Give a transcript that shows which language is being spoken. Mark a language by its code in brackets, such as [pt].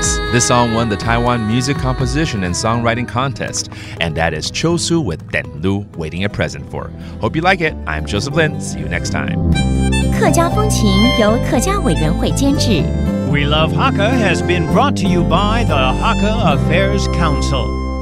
[en] This song won the Taiwan Music Composition and Songwriting Contest, and that is Cho Su with Den Lu, Waiting a Present For. Hope you like it. I'm Joseph Lin. See you next time. [zh] 客家风情由客家委员会监制。 [en] We Love Hakka has been brought to you by the Hakka Affairs Council.